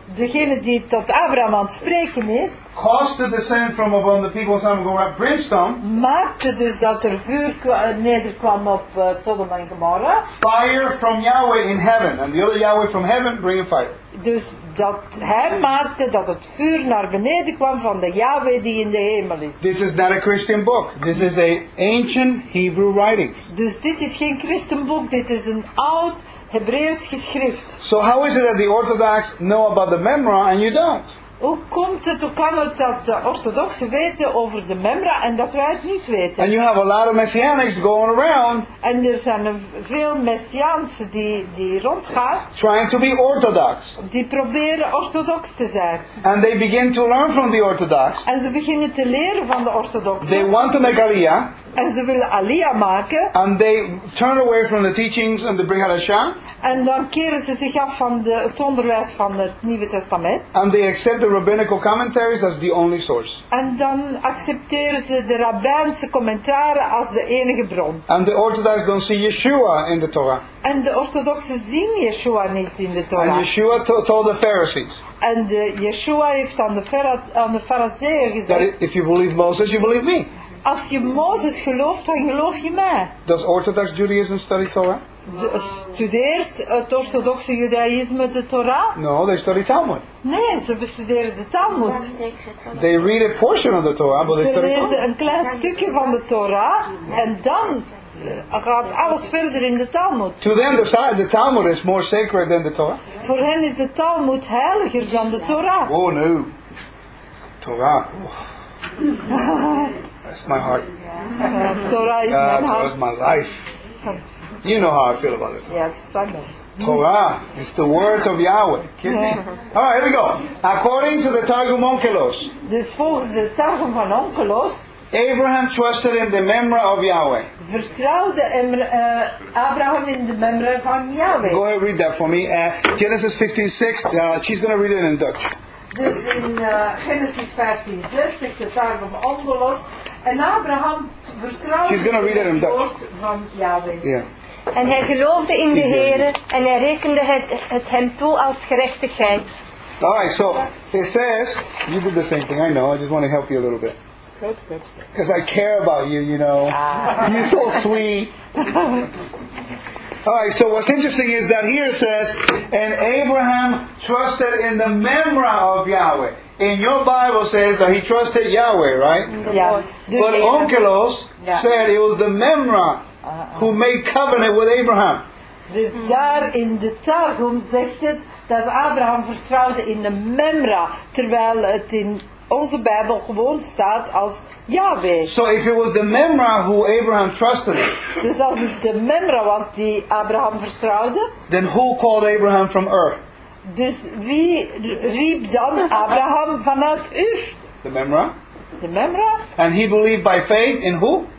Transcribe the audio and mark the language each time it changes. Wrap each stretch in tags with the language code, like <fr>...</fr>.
<nl>Degene die tot Abraham aan het spreken is.</nl> <en>Caused to descend from upon the people of Sodom and Gomorrah brimstone.</en> <nl>Maakte dus dat er vuur nederkwam op Sodom en Gomorrah.</nl> <en>Fire from Yahweh in heaven, and the other Yahweh from heaven bringing fire.</en> <nl>dus dat hij maakte dat het vuur naar beneden kwam van de Yahweh die in de hemel is.</nl> <en>This is not a Christian book. This is a ancient Hebrew writings.</en> <nl>Dus dit is geen christenboek, dit is een oud Hebreeuws geschrift.</nl> <en>So how is it that the Orthodox know about the Memra and you don't?</en> <nl>Hoe komt het, hoe kan het dat de orthodoxen weten over de Memra en dat wij het niet weten?</nl> <en>And you have a lot of messianics going around.</en> <nl>En er zijn veel messiaansen die rondgaan.</nl> <en>Trying to be orthodox.</en> <nl>Die proberen orthodox te zijn.</nl> <en>And they begin to learn from the orthodox.</en> <nl>En ze beginnen te leren van de orthodoxen.</nl> <en>They want to make aliyah.</en> <nl>En ze willen aliyah maken.</nl> <en>And they turn away from the teachings and the Brihat Hashem.</en> <nl>En dan keren ze zich af van het onderwijs van het Nieuwe Testament.</nl> <en>And they accept the rabbinical commentaries as the only source.</en> <nl>En dan accepteren ze de rabbijnse commentaren als de enige bron.</nl> <en>And the Orthodox don't see Yeshua in the Torah.</en> <nl>En de orthodoxen zien Yeshua niet in de Torah.</nl> <en>And Yeshua told the Pharisees.</en> <nl>En Yeshua heeft aan de Farizeeën gezegd.</nl> <en>That if you believe Moses, you believe me.</en> <nl>Als je Mozes gelooft, dan geloof je mij.</nl> <en>Does Orthodox Judaism study Torah?</en> <nl>Studeert het orthodoxe Judaïsme de Torah?</nl> <en>No, they study Talmud.</en> <nl>Nee, ze bestuderen de Talmud.</nl> <en>They read a portion of the Torah, but they study Talmud.</en> <nl>Ze lezen een klein stukje van de Torah en dan gaat alles verder in de Talmud.</nl> <en>To them, the Talmud is more sacred than the Torah.</en> <nl>Voor hen is de Talmud heiliger dan de Torah.</nl> <en>Oh no, Torah. That's my heart. Torah is my heart. Torah is my life. You know how I feel about it. Yes, I know. Torah is the word of Yahweh. Kidding? All right, here we go. According to the Targum Onkelos.</en> <nl>Dus volgens de Targum van Onkelos.</nl> <en>Abraham trusted in the Memra of Yahweh.</en> <nl>Vertrouwde Abraham in de Memra van Yahweh.</nl> <en>Go ahead, read that for me. Genesis 15:6. She's going to read it in Dutch.</en> <nl>Dus in Genesis 15:6 zegt de Targum Onkelos. En Abraham vertrouwde in het woord van Yahweh.</nl> <en>Yeah.</en> <nl>En hij geloofde in de Heere en hij rekende het hem toe als gerechtigheid.</nl> <en>Alright, so it says, you did the same thing, I know, I just want to help you a little bit. Because I care about you, you know. You're so sweet. Alright, so what's interesting is that here it says, and Abraham trusted in the Memra of Yahweh. In your Bible says that he trusted Yahweh, right? Yeah. But Onkelos said it was the Memra who made covenant with Abraham.</en> <nl>Dus daar in de Targum zegt het dat Abraham vertrouwde in de Memra, terwijl het in onze Bijbel gewoon staat als Yahweh.</nl> <en>So if it was the Memra who Abraham trusted.</en> <nl>Dus als het de Memra was die Abraham vertrouwde.</nl> <en>Then who called Abraham from Ur?</en> <nl>Dus wie riep dan Abraham vanuit Ur?</nl> <en>The Memra. The Memra. And he believed by faith in who?</en>